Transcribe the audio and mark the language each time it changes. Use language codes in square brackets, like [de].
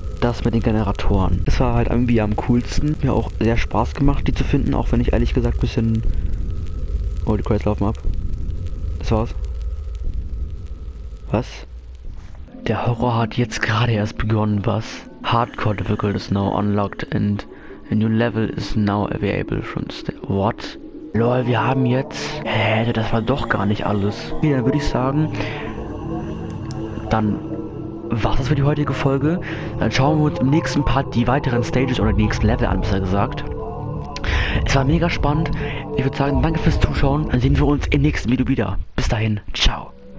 [de] das mit den Generatoren. Es war halt irgendwie am coolsten. Mir auch sehr Spaß gemacht, die zu finden, auch wenn ich ehrlich gesagt ein bisschen... Oh, die Credits laufen ab. Das war's. Was? Der Horror hat jetzt gerade erst begonnen, was? [en] Hardcore difficulty is now unlocked and a new level is now available from the... What? Lol, [de] wir haben jetzt... das war doch gar nicht alles. Wie, dann würde ich sagen... Dann... War das für die heutige Folge? Dann schauen wir uns im nächsten Part die weiteren Stages oder die nächsten Level an, besser gesagt. Es war mega spannend. Ich würde sagen, danke fürs Zuschauen. Dann sehen wir uns im nächsten Video wieder. Bis dahin. Ciao.